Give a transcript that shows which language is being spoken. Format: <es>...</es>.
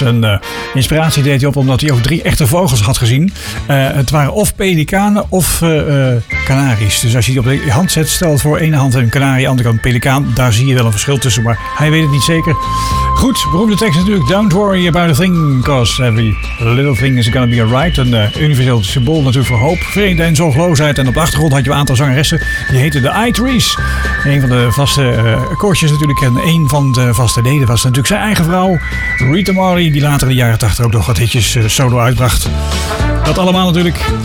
<nl>En inspiratie deed hij op omdat hij ook drie echte vogels had gezien. Het waren of pelikanen of kanaries. Dus als je die op de hand zet, stel het voor. Ene hand een kanarie, andere kant een pelikaan. Daar zie je wel een verschil tussen, maar hij weet het niet zeker. Goed, beroemde tekst natuurlijk.</nl> <en>Don't worry about a thing, cause every little thing is gonna be alright.</en> <nl>Een universeel symbool natuurlijk voor hoop, vrede en zorgloosheid. En op de achtergrond had je een aantal zangeressen. Die heette de I-Trees. Een van de vaste koortjes natuurlijk. En een van de vaste leden was natuurlijk zijn eigen vrouw, Rita Marley. Die later in de jaren 80 ook nog wat hitjes solo uitbracht. Dat allemaal natuurlijk.</nl>